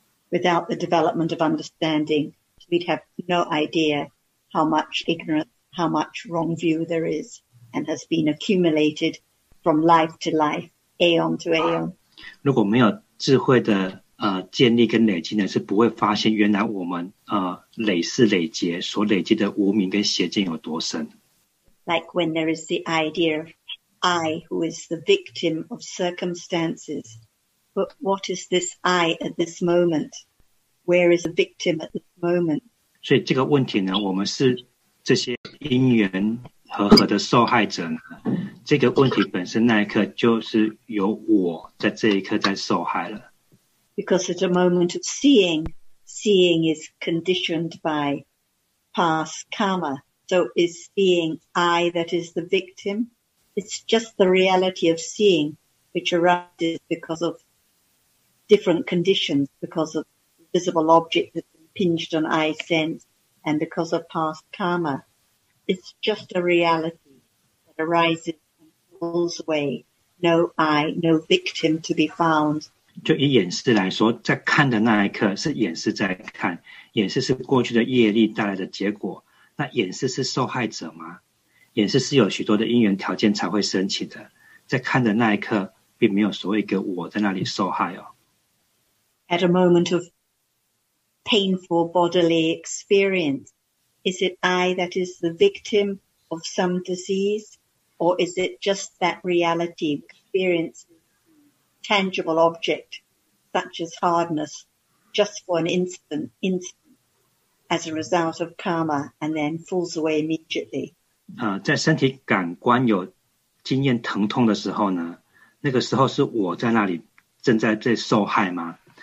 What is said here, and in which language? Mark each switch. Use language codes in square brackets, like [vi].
[en] Without the development of understanding, we'd have no idea how much ignorance, how much wrong view there is, and has been accumulated from life to life, aeon to aeon. [zh] 如果没有智慧的建立跟累积呢，是不会发现原来我们累世累劫所累积的无明跟邪见有多深。 [en] Like when there is the idea of I who is the victim of circumstances, but what is this I at this moment? Where is the victim at this moment? [zh] 所以这个问题呢，我们是这些因缘和合的受害者呢？这个问题本身那一刻就是由我在这一刻在受害了。 [en] Because at a moment of seeing, seeing is conditioned by past karma. So is seeing I that is the victim? It's just the reality of seeing which arises because of different conditions, because of visible object that's impinged on eye sense and because of past karma. It's just a reality that arises and falls away. No I, no victim to be found. [zh] 就以眼识来说，在看的那一刻是眼识在看，眼识是过去的业力带来的结果。那眼识是受害者吗？眼识是有许多的因缘条件才会升起的。在看的那一刻，并没有所谓一个我在那里受害哦。 [en] At a moment of painful bodily experience, is it I that is the victim of some disease, or is it just that reality experience? Tangible object such as hardness just for an instant as a result of karma and then falls away immediately. [zh] 在身体感官有经验疼痛的时候呢，那个时候是我在那里正在被受害吗？